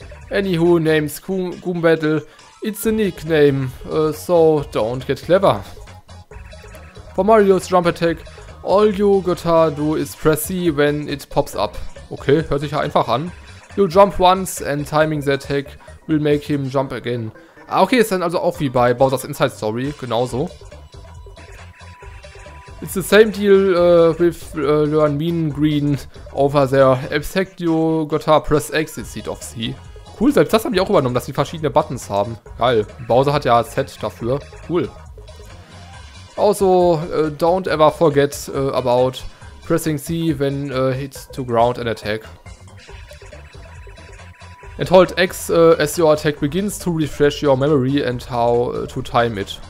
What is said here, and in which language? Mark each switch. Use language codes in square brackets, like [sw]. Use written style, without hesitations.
[en] Anywho, name's Goom Battle. It's a nickname, so don't get clever. For Mario's jump attack, all you gotta do is press C when it pops up. [de] Okay, hört sich ja einfach an. [en] You jump once and timing the attack will make him jump again. [de] Ah, okay, ist dann also auch wie bei Bowser's Inside Story, genauso. [en] It's the same deal with Learn Mean Green over there. Abstract you gotta press X instead of C. [de] Cool, selbst das haben die auch übernommen, dass sie verschiedene Buttons haben. Geil, Bowser hat ja Z dafür. Cool. [en] Also, don't ever forget about pressing C when hits to ground an attack. And hold X as your attack begins to refresh your memory and how to time it.